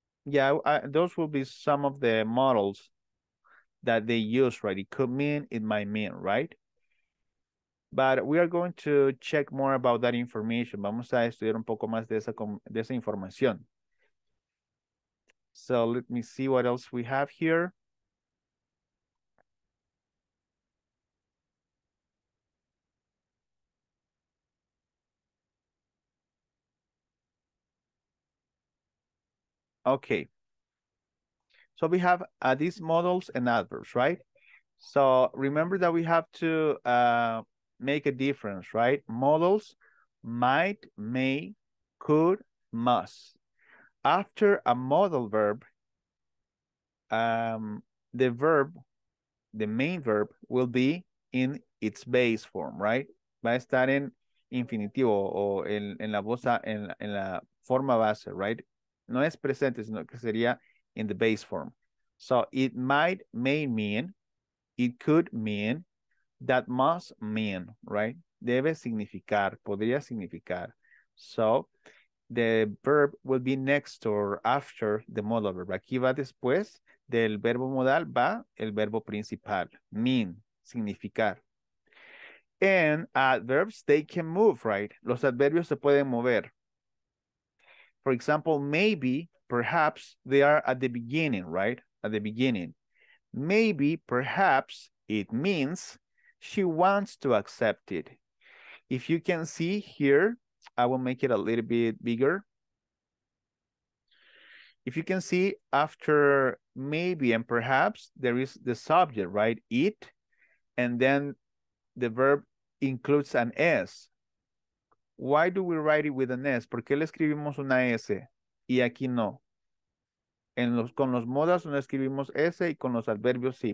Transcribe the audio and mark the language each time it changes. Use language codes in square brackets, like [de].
[en] Yeah, those will be some of the models that they use, right? It could mean, it might mean, right? But we are going to check more about that information. [es] Vamos a estudiar un poco más de esa información. [en] So let me see what else we have here. Okay. So we have these models and adverbs, right? So remember that we have to make a difference, right? Models, might, may, could, must. After a model verb, the verb, the main verb, will be in its base form, right? [es] Va a estar en infinitivo o en la voz, en la forma base, right? No es presente, sino que sería [en] in the base form. So it might, may mean, it could mean, that must mean, right? [es] Debe significar, podría significar. [en] So the verb will be next or after the modal verb. [es] Aquí va después del verbo modal, va el verbo principal, mean, significar. [en] And adverbs, they can move, right? [es] Los adverbios se pueden mover. [en] For example, maybe, perhaps, they are at the beginning, right? At the beginning. Maybe, perhaps, it means she wants to accept it. If you can see here, I will make it a little bit bigger. If you can see, after maybe and perhaps, there is the subject, right? It, and then the verb includes an S. Why do we write it with an S? [es] ¿Por qué le escribimos una S y aquí no? En los, con los modas no escribimos S y con los adverbios sí.